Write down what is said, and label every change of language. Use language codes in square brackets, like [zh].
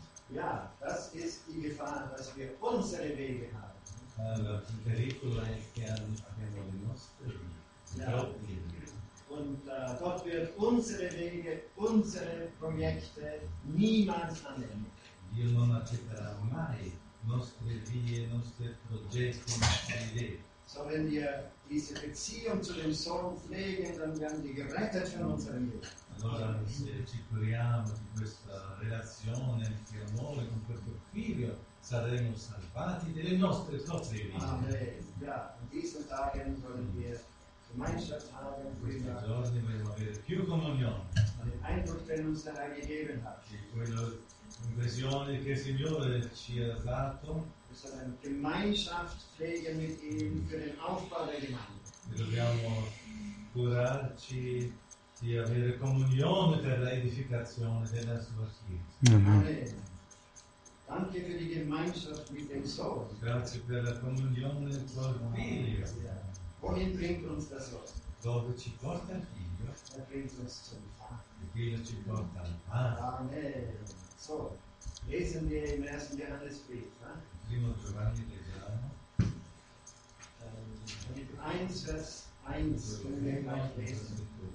[de] Ja, das ist die Gefahr, dass wir unsere Wege haben. Aber im [it] Pericolo è che abbiamo le nostre vie. [de] Und Gott wird unsere Wege, unsere Projekte niemals annehmen. [it] Dio non accetterà mai nostre vie, nostre progetti, nostre idee. [de] So, wenn wir diese Beziehung zu dem Sohn pflegen, dann werden wir gerettet von unserem Leben. [it] Allora, se ci curiamo di questa relazione di amore con questo figlio, saremo salvati delle nostre proprie vite. Amen. [de] Ja, in diesen Tagen wollen wir Gemeinschaft haben. [it] In questi giorni vogliamo avere più comunione. [de] Und den Eindruck, den uns der Herr gegeben hat. [it] E quella impressione che il Signore ci ha dato. [de] Wir sollen Gemeinschaft pflegen mit ihm für den Aufbau der Gemeinde. [it] Dobbiamo curarci di avere comunione per l'edificazione della sua chiesa. Anche per la [de] Gemeinschaft mit dem Sohn. [it] Grazie per la comunione col figlio. [de] Wohin bringt uns das Wort? [it] Dove ci porta il figlio? [de] Er bringt uns zum Vater. [it] Il figlio ci porta al Padre. Amen. [de] So, lesen wir im ersten Johannesbrief. [it] Primo Giovanni leggiamo. [de] Kapitel 1, Vers 1, können wir gleich lesen.